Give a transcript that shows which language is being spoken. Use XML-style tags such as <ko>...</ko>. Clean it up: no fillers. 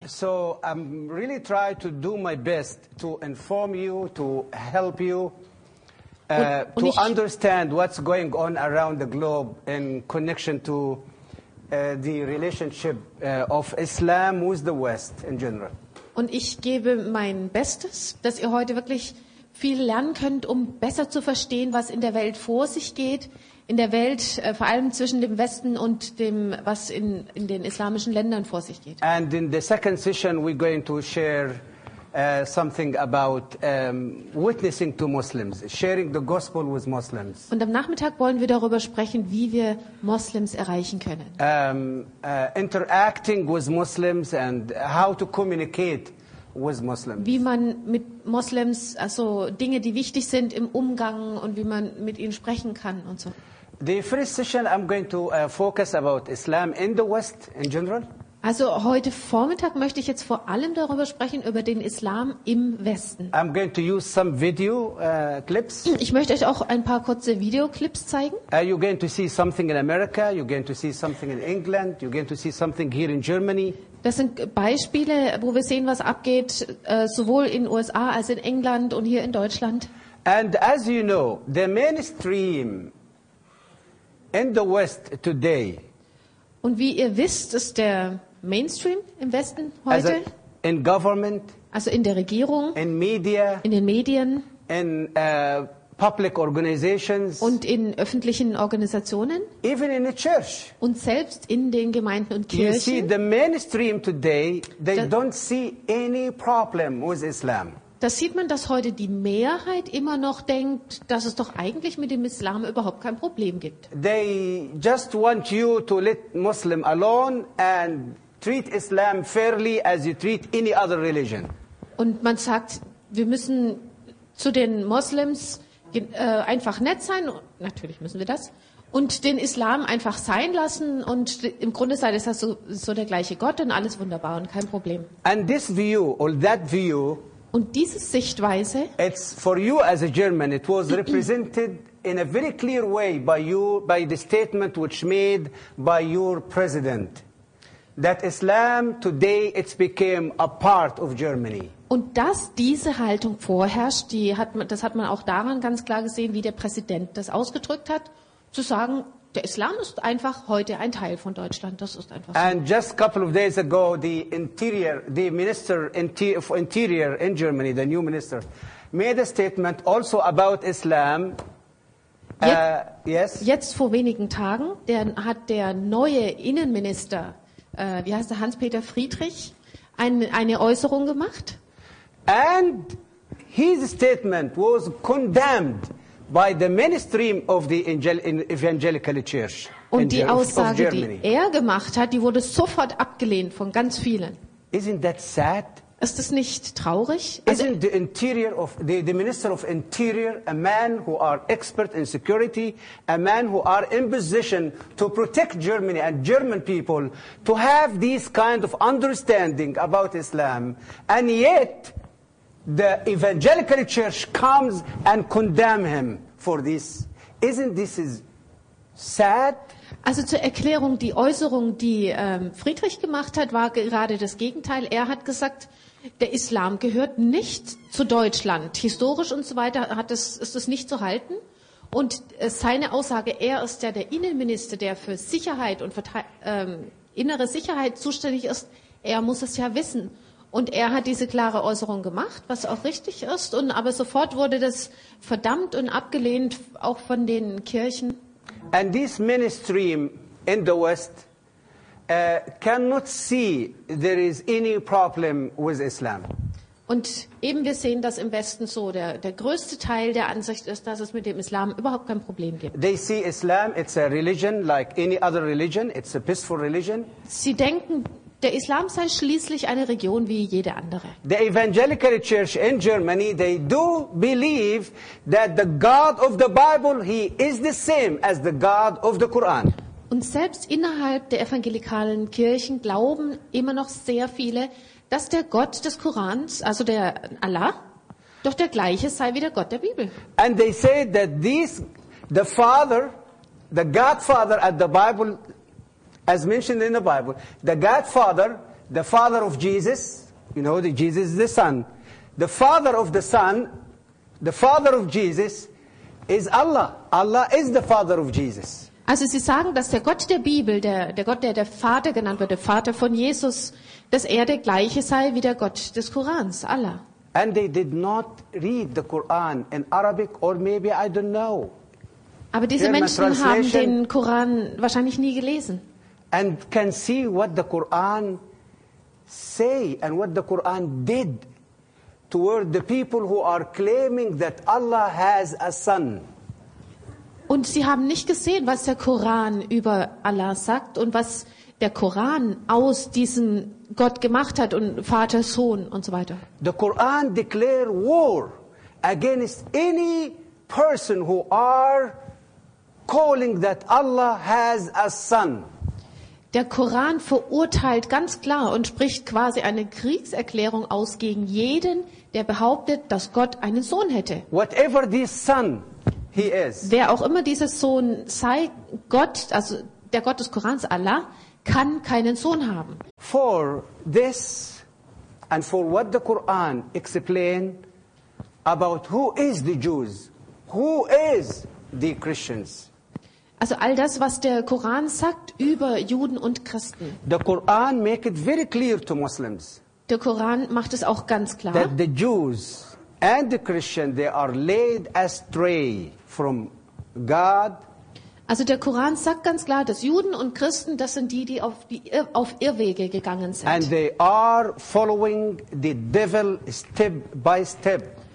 <en>So I'm really trying to do my best to inform you, to help you, to understand what's going on around the globe in connection to the relationship of Islam with the West in general.</en> <de>Und ich gebe mein Bestes, dass ihr heute wirklich viel lernen könnt, um besser zu verstehen, was in der Welt vor sich geht, in der Welt, vor allem zwischen dem Westen und dem, was in den islamischen Ländern vor sich geht.</de> <en>And in the second session we're going to share something about witnessing to Muslims, sharing the gospel with Muslims.</en> <de>Und am Nachmittag wollen wir darüber sprechen, wie wir Muslims erreichen können.</de> <en>Interacting with Muslims and how to communicate with Muslims.</en> <de>Wie man mit Muslims, also Dinge, die wichtig sind im Umgang und wie man mit ihnen sprechen kann und so.</de> <en>The first session I'm going to focus about Islam in the West in general.</en> <de>Also heute Vormittag möchte ich jetzt vor allem darüber sprechen, über den Islam im Westen.</de> <en>I'm going to use some video, clips.</en> <de>Ich möchte euch auch ein paar kurze Videoclips zeigen.</de> <en>You're going to see something in America, you're going to see something in England, you're going to see something here in Germany.</en> <de>Das sind Beispiele, wo wir sehen, was abgeht, sowohl in USA als in England und hier in Deutschland.</de> <en>And as you know, the mainstream in the West today.</en> <de>Und wie ihr wisst, ist der Mainstream im Westen heute,</de> <en>in government,</en> <de>also in der Regierung,</de> <en>in media,</en> <de>in den Medien,</de> <en>in public organizations,</en> <de>und in öffentlichen Organisationen,</de> <en>even in the church,</en> <de>und selbst in den Gemeinden und Kirchen.</de> <en>You see, the mainstream today, they don't see any problem with Islam.</en> <de>Das sieht man, dass heute die Mehrheit immer noch denkt, dass es doch eigentlich mit dem Islam überhaupt kein Problem gibt.</de> <en>They just want you to let Muslim alone and treat Islam fairly as you treat any other religion.</en> <de>Und man sagt, wir müssen zu den Muslims einfach nett sein, natürlich müssen wir das, und den Islam einfach sein lassen und im Grunde sei das so der gleiche Gott und alles wunderbar und kein Problem.</de> <en>And this view or that view.</en> <de>Und diese Sichtweise,</de> <en>it's for you as a German, it was represented in a very clear way by you, by the statement which made by your president, that Islam today it's became a part of Germany.</en> <de>Und dass diese Haltung vorherrscht, das hat man auch daran ganz klar gesehen, wie der Präsident das ausgedrückt hat, zu sagen, der Islam ist einfach heute ein Teil von Deutschland. Das ist einfach so.</de> <en>And just a couple of days ago, the minister of interior in Germany, the new minister, made a statement also about Islam.</en> <de>Jetzt vor wenigen Tagen, hat der neue Innenminister, wie heißt er, Hans-Peter Friedrich, eine Äußerung gemacht.</de> <en>And his statement was condemned by the mainstream of the evangelical church.</en> <de>Und die Aussage, die er gemacht hat, die wurde sofort abgelehnt von ganz vielen.</de> <en>Isn't that sad?</en> <de>Ist das nicht traurig?</de> <en>Isn't the interior of the minister of interior, a man who are expert in security, a man who are in position to protect Germany and German people, to have this kind of understanding about Islam, and yet the evangelical church comes and condemn him for this. Isn't this is sad?</en> <de>Also zur Erklärung, die Äußerung, die Friedrich gemacht hat, war gerade das Gegenteil. Er hat gesagt, der Islam gehört nicht zu Deutschland. Historisch und so weiter ist es nicht zu halten. Und seine Aussage, er ist ja der Innenminister, der für Sicherheit und innere Sicherheit zuständig ist. Er muss es ja wissen. Und er hat diese klare Äußerung gemacht, was auch richtig ist. Und aber sofort wurde das verdammt und abgelehnt, auch von den Kirchen.</de> <en>And this mainstream in the West cannot see there is any problem with Islam.</en> <de>Und eben wir sehen, dass im Westen so der größte Teil der Ansicht ist, dass es mit dem Islam überhaupt kein Problem gibt.</de> <en>They see Islam, it's a religion like any other religion. It's a peaceful religion.</en> <de>Sie denken, der Islam sei schließlich eine Region wie jede andere.</de> <en>The evangelical church in Germany, they do believe that the God of the Bible, he is the same as the God of the Quran.</en> <de>Und selbst innerhalb der evangelikalen Kirchen glauben immer noch sehr viele, dass der Gott des Korans, also der Allah, doch der gleiche sei wie der Gott der Bibel.</de> <en>And they say that the Father, the Godfather at the Bible, as mentioned in the Bible, the Godfather, the father of Jesus, you know, the Jesus is the son. The father of the son, the father of Jesus is Allah. Allah is the father of Jesus.</en> <de>Also sie sagen, dass der Gott der Bibel, der Gott, der Vater genannt wird, der Vater von Jesus, dass er der gleiche sei wie der Gott des Korans, Allah.</de> <en>And they did not read the Quran in Arabic, or maybe I don't know.</en> <de>Aber diese Menschen haben den Koran wahrscheinlich nie gelesen.</de> <en>And can see what the Quran say and what the Quran did toward the people who are claiming that Allah has a son.</en> <de>Und sie haben nicht gesehen, was der Koran über Allah sagt und was der Koran aus diesem Gott gemacht hat und Vater, Sohn und so weiter.</de> <en>The Quran declare war against any person who are calling that Allah has a son.</en> <de>Der Koran verurteilt ganz klar und spricht quasi eine Kriegserklärung aus gegen jeden, der behauptet, dass Gott einen Sohn hätte.</de> <en>Whatever this son he is.</en> <de>Wer auch immer dieser Sohn sei, Gott, also der Gott des Korans, Allah, kann keinen Sohn haben.</de> <en>For this and for what the Quran explain about who is the Jews, who is the Christians.</en> <de>Also all das, was der Koran sagt über Juden und Christen.</de> <en>The Quran make it very clear to Muslims.</en> <de>Der Koran macht es auch ganz klar.</de> <en>That the Jews and the Christians, they are led astray from God.</en> <de>Also der Koran sagt ganz klar, dass Juden und Christen, das sind die auf Irrwege gegangen sind.</de> <en>And they are following the devil step by step.</en>